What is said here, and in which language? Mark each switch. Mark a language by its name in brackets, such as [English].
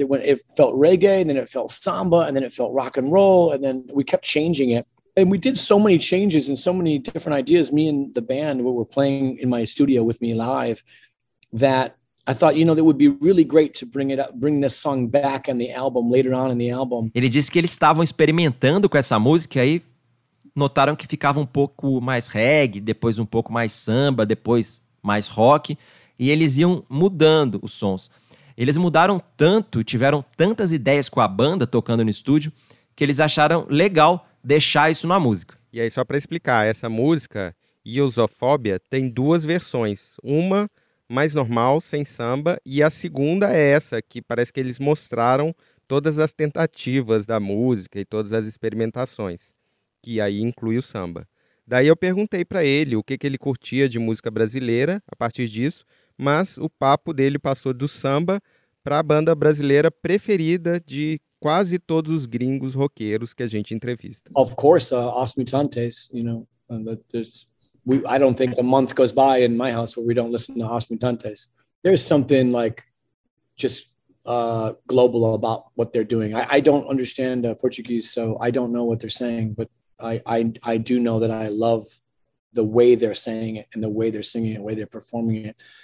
[English] It felt reggae, and then it felt samba, and then it felt rock and roll, and then we kept changing it. And we did so many changes and so many different ideas, me and the band, we were playing in my studio with me live, that I thought, you know, that would be really great to bring this song back on the album, later on in the album. [Portuguese] Ele disse que eles estavam experimentando com essa música aí, notaram que ficava um pouco mais reggae, depois um pouco mais samba, depois mais rock, e eles iam mudando os sons. Eles mudaram tanto, tiveram tantas ideias com a banda tocando no estúdio, que eles acharam legal deixar isso na música. E aí, só para explicar, essa música, Usophobia, tem duas versões. Uma mais normal, sem samba, e a segunda é essa, que parece que eles mostraram todas as tentativas da música e todas as experimentações, que aí inclui o samba. Daí eu perguntei para ele o que, que ele curtia de música brasileira a partir disso, mas o papo dele passou do samba para a banda brasileira preferida de quase todos os gringos roqueiros que a gente entrevista. [English] Of course, Os Mutantes, you know, and that there's, I don't think a month goes by in my house where we don't listen to Os Mutantes. There's something like just global about what they're doing. I don't understand Portuguese, so I don't know what they're saying, but I do know that I love the way they're saying it and the way they're singing it, the way they're performing it.